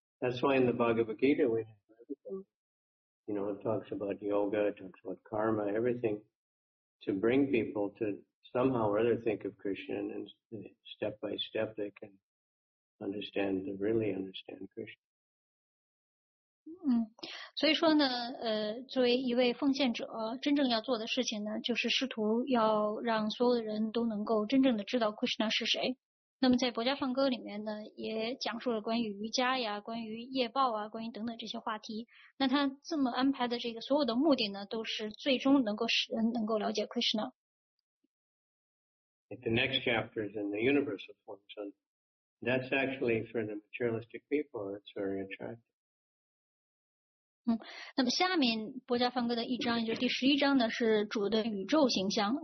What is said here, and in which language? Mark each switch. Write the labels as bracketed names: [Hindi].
[English] That's why in the Bhagavad Gita, we have everything. You know, it talks about yoga, it talks about karma, everything to bring people to. Somehow or other think of Krishna and step by step they can understand, really understand Krishna. [Chinese] 所以说呢作为一位奉献者真正要做的事情呢就是试图要让所有的人都能够真正的知道 Krishna 是谁。那么在《薄伽梵歌》里面呢也讲述了关于瑜伽呀关于业报啊关于等等这些话题。那他这么安排的这个所有的目的呢都是最终能够使人能够了解 Krishna。 [English] The next chapter is in the universal form. So that's actually for the materialistic people, it's very attractive. [Chinese] 那么下面薄伽梵歌的一章，也就是第十一章呢，是主的宇宙形象。